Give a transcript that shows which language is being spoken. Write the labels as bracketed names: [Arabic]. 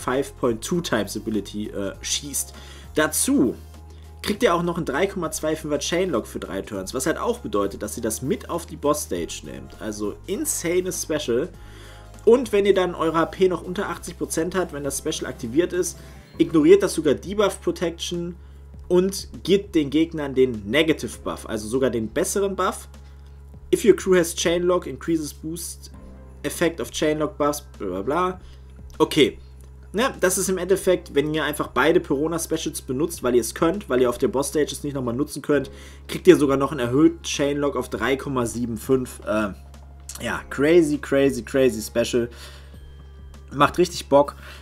[German] 5.2 times Ability schießt. Dazu kriegt ihr auch noch einen 3,25er Chainlock für 3 Turns, was halt auch bedeutet, dass ihr das mit auf die Boss Stage nehmt. Also insane Special. Und wenn ihr dann eure HP noch unter 80% habt, wenn das Special aktiviert ist, ignoriert das sogar Debuff Protection und gibt den Gegnern den Negative Buff, also sogar den besseren Buff. [English] If your crew has Chainlock, increases Boost Effect of Chainlock Buffs, bla bla bla. [German] Okay, ja, das ist im Endeffekt, wenn ihr einfach beide Perona Specials benutzt, weil ihr es könnt, weil ihr auf der Boss Stage es nicht nochmal nutzen könnt, kriegt ihr sogar noch einen erhöhten Chainlock auf 3,75. Ja, crazy, crazy, crazy Special. Macht richtig Bock.